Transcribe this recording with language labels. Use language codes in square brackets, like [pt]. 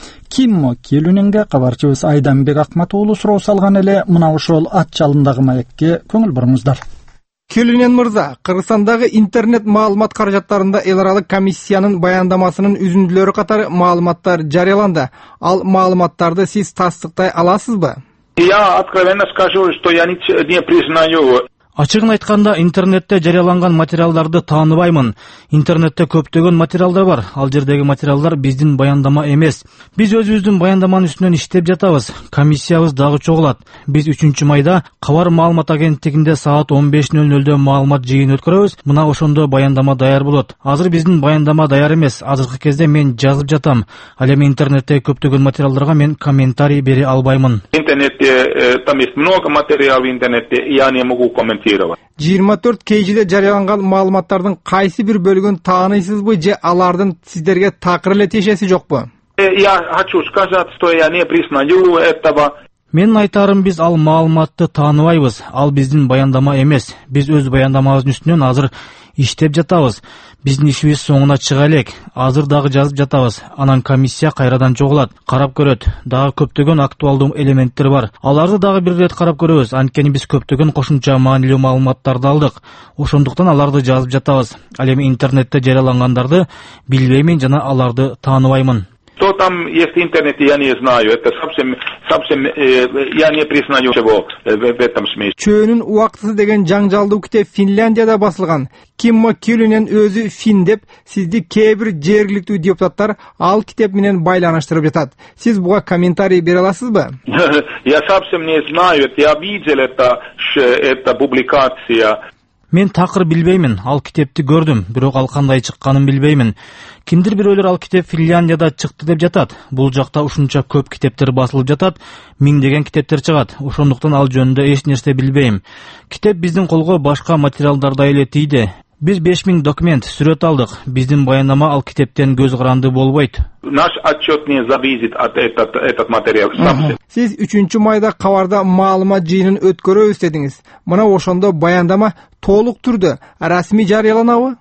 [ky] Киммо Келюненге кабарчыбыз Айданбек Акматоолу суроо салган эле мына ошол ат жалындагы маекке көңүл буруңуздар. Келюнен мырза, Кыргызстандагы интернет маалымат каражаттарында эл аралык комиссиянын баяндамасынын үзүндүлөрү катары маалыматтар жарыяланды. Ал маалыматтарды сиз тастыктай аласызбы? [ru] Я откровенно скажу, что я не признаю. [ky] Ачыгын айтканда, интернетте жарыяланган материалдарды тааныбаймын. Интернетте көптөгөн материалдар бар. Ал жердеги материалдар биздин баяндама эмес. Биз өзүбүздүн баяндаманын үстүнөн иштеп жатабыз. Комиссиябыз дагы чогулат. Биз 3 майда Кабар маалымат агенттигинде саат 15:00 маалымат жыйын өткөрөбүз. Мына ошондо баяндама даяр болот. Азыр биздин баяндама даяр эмес. Азыркы кезде мен жазып жатам. Ал эми интернетте көптөгөн материалдарга мен комментарий бере албаймын. Интернетте [ru] там есть много материалов в интернете. Я не могу [ky] 24 кейжиде жарыяланган маалыматтардын кайсы бир бөлүгүн тааныйсызбы же алардын сиздерге такыр эле тиешеси жокпу? [ru] Я хочу сказать, что я не признаю этого. [ky] Менин айтарым биз ал маалыматты тааныбайбыз. Ал биздин баяндама эмес. Биз өз баяндамабыздын үстүнөн азыр иштеп жатабыз. Биздин ишибиз соңуна чыга элек. Азыр дагы жазып жатабыз. Анан комиссия кайрадан чогулат, карап көрөт. Дагы көптөгөн актуалдуу элементтер бар. Аларды дагы бир ирет карап көрөбүз. Анткени биз көптөгөн кошумча маанилүү маалыматтарды алдык. Ошондуктан аларды жазып жатабыз. Ал эми интернетте жарыялангандарды билбеймин жана аларды тааныбаймын. [ru] Что там есть в интернете, я не знаю. Это совсем я не признаю его в этом смысле. [ky] Чөөнүн уактысы деген жаңжалдуу китеп Финляндияда басылган. Киммо Келюнен өзү фин деп, сизди кээ бир жергиликтүү депутаттар ал китеп менен байланыштырып жатат. Сиз буга комментарий бере аласызбы? [ru] Я совсем не знаю. Я видел это публикация. [ky] Мен такыр билбеймин. Ал китепти көрдүм, бирок ал кандай чыкканын билбеймин. Киндир бирөөлөр ал китеп Финляндияда чыкты деп жатат. Бул жакта ушунча көп китептер басылып жатат, миңдеген китептер чыгат. Ошондуктан ал жөнүндө эч нерсе билбейм. Китеп биздин колго башка материалдар да эле тийди. Биз 5000 документ, сүрөт алдык. Биздин баяндама ал китептен көз каранды болбойт. [ru] Наш отчет не зависит от этот материал. [ky] Сиз 3 майда Кабарда маалымат жыйынын өткөрөбүз дедиңиз. Мына ошондо баяндама толук түрдө расмий жарыяланабы?